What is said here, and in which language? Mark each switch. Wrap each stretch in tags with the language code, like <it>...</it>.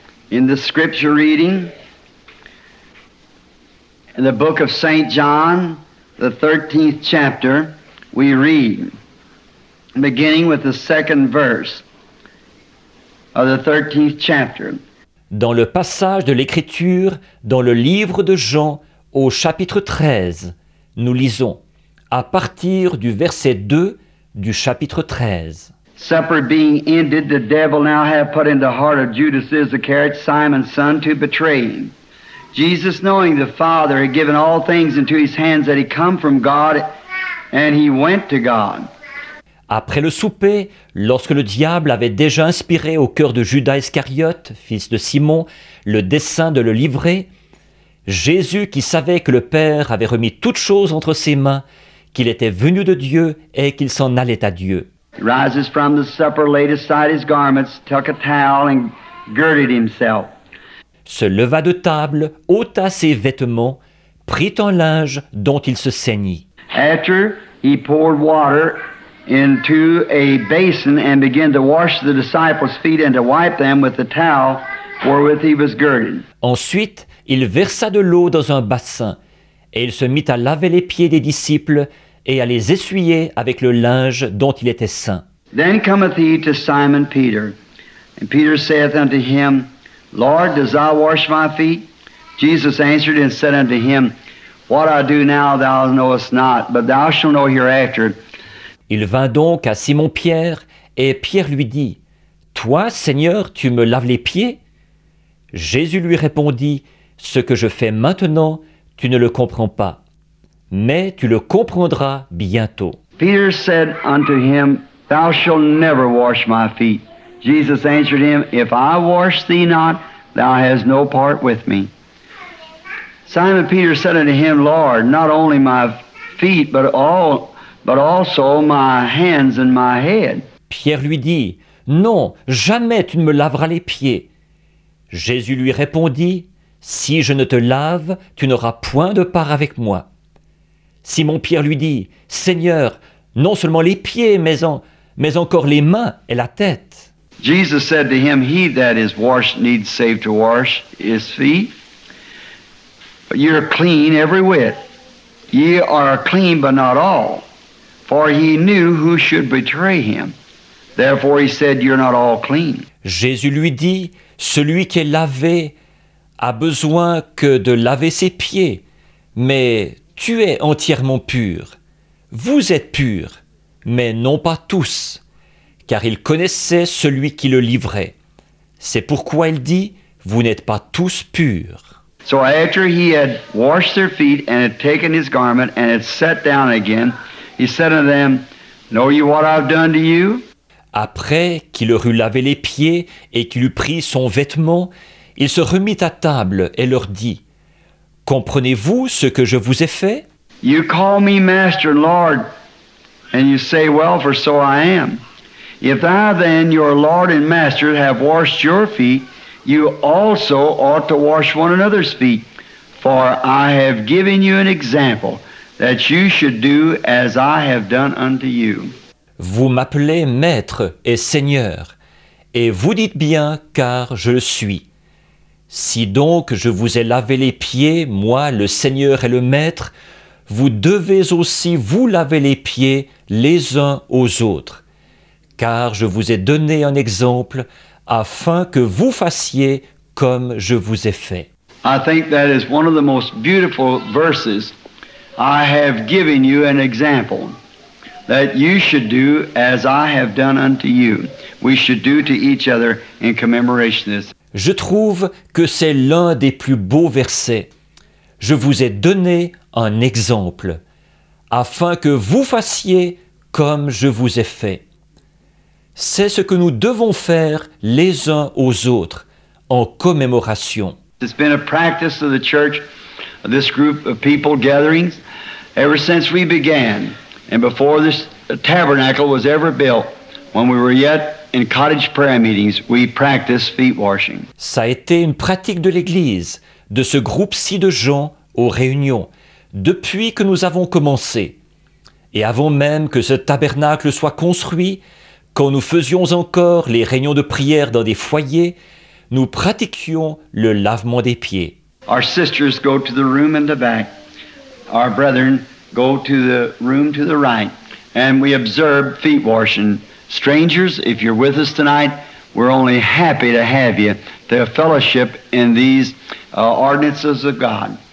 <en>In the scripture reading, in the book of Saint John, the 13th chapter, we read, beginning with the second verse of the 13th chapter.</en> <fr>Dans le passage de l'Écriture, dans le livre de Jean, au chapitre 13, nous lisons, à partir du verset 2 du chapitre 13.</fr> <en>Supper being ended, the devil now hath put in the heart of Judas Iscariot, Simon's son, to betray him. Jesus, knowing the Father, had given all things into his hands, that he come from God, and he went to God.</en> <fr>Après le souper, lorsque le diable avait déjà inspiré au cœur de Judas Iscariote, fils de Simon, le dessein de le livrer, Jésus, qui savait que le Père avait remis toutes choses entre ses mains, qu'il était venu de Dieu et qu'il s'en allait à Dieu.</fr> <en>He rises from the supper, laid aside his garments, took a towel and girded himself.</en> <fr>Se leva de table, ôta ses vêtements, prit un linge dont il se saignit.</fr> <en>After he poured water into a basin and began to wash the disciples' feet and to wipe them with the towel wherewith he was girded.</en> <fr>Ensuite, il versa de l'eau dans un bassin et il se mit à laver les pieds des disciples et à les essuyer avec le linge dont il était saint.</fr> <en>Then cometh he to Simon Peter, and Peter saith unto him, Lord, dost thou wash my feet? Jesus answered and said unto him, What I do now thou knowest not, but thou shalt know hereafter.</en> <fr>Il vint donc à Simon Pierre, et Pierre lui dit, Toi, Seigneur, tu me laves les pieds? Jésus lui répondit, Ce que je fais maintenant, tu ne le comprends pas. Mais tu le comprendras bientôt.</fr> <en>Peter said unto him, Thou shalt never wash my feet. Jesus answered him, If I wash thee not, thou hast no part with me. Simon Peter said unto him, Lord, not only my feet, but also my hands and my head.</en> <fr>Pierre lui dit, Non, jamais tu ne me laveras les pieds. Jésus lui répondit, Si je ne te lave, tu n'auras point de part avec moi. Simon Pierre lui dit, « Seigneur, non seulement les pieds, mais encore les mains et la tête. »</fr> <en>Jesus said to him, « He that is washed needs save to wash his feet. But you are clean every whit. Ye are clean, but not all. For he knew who should betray him. Therefore he said, You are not all clean. »</en> <fr>Jésus lui dit, « Celui qui est lavé a besoin que de laver ses pieds, mais... » Tu es entièrement pur. Vous êtes pur, mais non pas tous, car il connaissait celui qui le livrait. C'est pourquoi il dit, vous n'êtes pas tous purs.</fr> <en>So after he had washed their feet and had taken his garment and had sat down again, he said unto them, Know you what I've done to you?</en> <fr>Après qu'il leur eut lavé les pieds et qu'il eut pris son vêtement, il se remit à table et leur dit, Comprenez-vous ce que je vous ai fait?</fr> <en>You call me master and lord, and you say, Well, for so I am. If I then, your lord and master, have washed your feet, you also ought to wash one another's feet. For I have given you an example, that you should do as I have done unto you.</en> <fr>Vous m'appelez maître et seigneur, et vous dites bien, car je le suis. Si donc je vous ai lavé les pieds, moi, le Seigneur et le Maître, vous devez aussi vous laver les pieds les uns aux autres, car je vous ai donné un exemple afin que vous fassiez comme je vous ai fait.</fr> <en>I think that is one of the most beautiful verses. I have given you an example that you should do as I have done unto you. We should do to each other in commemoration of this.</en> <fr>Je trouve que c'est l'un des plus beaux versets. Je vous ai donné un exemple afin que vous fassiez comme je vous ai fait. C'est ce que nous devons faire les uns aux autres en commémoration.</fr> <en>It's been a practice of the church, this group of people gatherings, ever since we began, and before this tabernacle was ever built, when we were yet in cottage prayer meetings, we practiced feet washing.</en> <fr>Ça a été une pratique de l'Église, de ce groupe-ci de gens aux réunions, depuis que nous avons commencé, et avant même que ce tabernacle soit construit, quand nous faisions encore les réunions de prière dans des foyers, nous pratiquions le lavement des pieds.</fr> <en>Our sisters go to the room in the back. Our brethren go to the room to the right. And we observe feet washing. Strangers, if you're with us tonight, we're only happy to have you. The fellowship in these ordinances of God.</en>